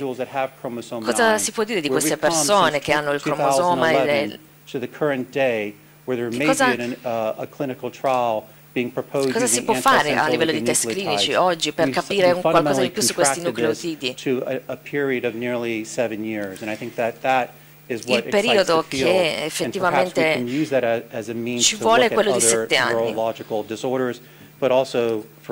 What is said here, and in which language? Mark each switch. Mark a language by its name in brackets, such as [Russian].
[Italian] Cosa si può dire di queste persone che hanno il cromosoma e [English] to the current day where there may be a clinical trial being proposed. [Italian] Cosa si può fare a livello di test clinici oggi per capire un qualcosa di più su questi nucleotidi? [English] To a period of nearly 7 years, and I think that [Italian] il periodo che effettivamente ci vuole è quello di 7 anni per capire